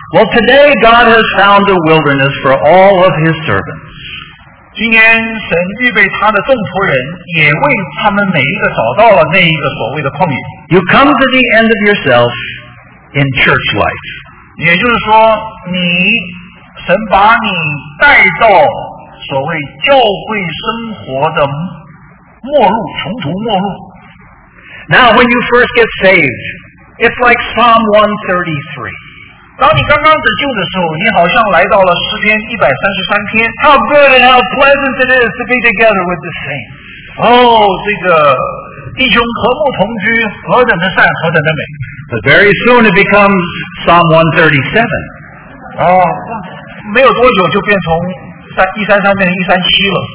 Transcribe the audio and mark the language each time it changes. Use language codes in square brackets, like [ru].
[en] Well, today God has found a wilderness for all of his servants. [zh] 今天神预备他的众仆人也为他们每一个找到了那一个所谓的旷野。 [en] You come to the end of yourself in church life. [zh] 也就是说你神把你带到所谓教会生活的末路穷途末路。 [en] Now when you first get saved, it's like Psalm 133. [zh] 当你刚刚得救的时候你好像来到了诗篇133篇 [en] How good and how pleasant it is to be together with the saints. [zh] 哦、这个弟兄和睦同居何等的善何等的美 [en] But very soon it becomes Psalm 137. [zh] 哦、没有多久就变从133变成137了